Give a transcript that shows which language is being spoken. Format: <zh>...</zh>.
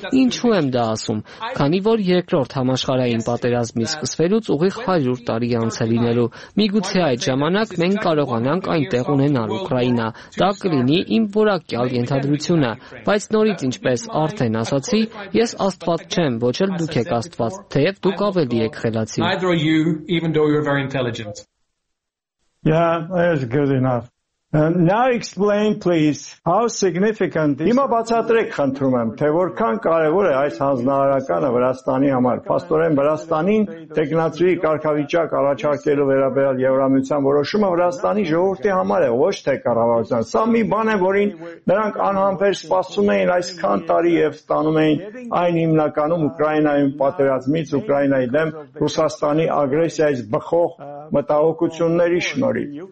<hy>Ինչու եմ դա ասում, քանի որ երկրորդ համաշխարհային պատերազմի սկսվելուց ուղիղ 100 տարի անց է լինելու, միգուցե այդ ժամանակ մենք կարողանանք այնտեղ ունենալ Ուկրաինա, դա կլինի իմ որակյալ ենթադրությունը, բայց նորից ինչպես արդեն ասացի, ես աստված չեմ, ոչ էլ դուք եք աստված, թեև դուք ավելի եք խելացի։</hy> <en>Neither are you, even though you're very intelligent. Yeah, that's good enough. Now explain, please, how significant is.</en> <hy>Հիմա բացատրեք, խնդրում եմ, թե որքան կարևոր է այս հանձնարարականը Վրաստանի համար։ Պաստորեն, Վրաստանին տեղնացրի կարգավիճակ առաջարկելու վերաբերյալ Եվրամիության որոշումը Վրաստանի ժողովրդի համար է, ոչ թե կառավարության։ Սա մի բան է, որին նրանք անհամբեր սպասում էին այսքան տարի և ստանում էին այն հիմնականում Ուկրաինայում պատերազմից, Ուկրաինայի դեմ Ռուսաստանի ագրեսիայից բխող մտահոգությունների շնորհիվ.</hy>